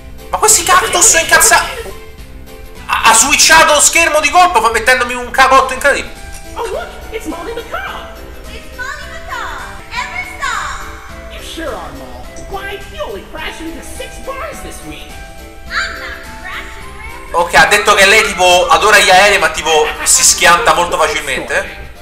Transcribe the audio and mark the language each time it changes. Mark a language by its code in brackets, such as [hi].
[it] Ma questi cactus sono incazzati! Ha switchato lo schermo di colpo mettendomi un cagotto incredibile! [en] Oh, look, it's Molly McCall! It's Molly McCall! Ever stop! You sure are, Molly. Why, you only crashed into 6 bars this week! I'm not crashing, [it] Ok, ha detto che lei tipo adora gli aerei, ma tipo si schianta molto facilmente.